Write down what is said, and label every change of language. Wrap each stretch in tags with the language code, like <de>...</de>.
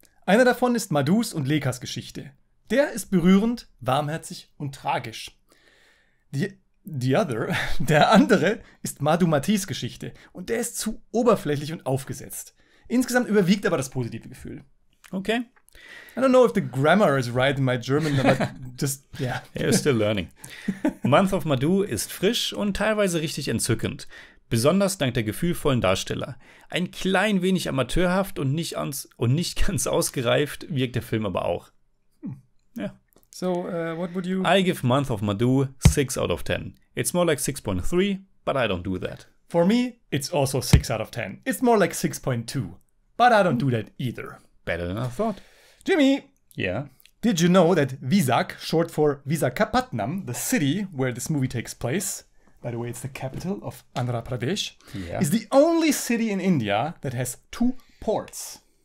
<de>Einer davon ist Madhus und Lekhas Geschichte. Der ist berührend, warmherzig und tragisch. Der andere ist Madhumatis Geschichte. Und der ist zu oberflächlich und aufgesetzt. Insgesamt überwiegt aber das positive Gefühl. Okay.</de> <en>I don't know if the grammar is right in my German, but just, You're still learning.</en> <de>Month of Madhu ist frisch und teilweise richtig entzückend. Besonders dank der gefühlvollen Darsteller. Ein klein wenig amateurhaft und nicht ganz ausgereift wirkt der Film aber auch.</de> <en>So, what would you... I give Month of Madhu 6 out of 10. It's more like 6.3, but I don't do that. For me, it's also 6 out of 10. It's more like 6.2, but I don't do that either. Better than I thought. Jimmy! Yeah? Did you know that Visak, short for Visakhapatnam, the city where this movie takes place, by the way, it's the capital of Andhra Pradesh, is the only city in India that has two ports.</en>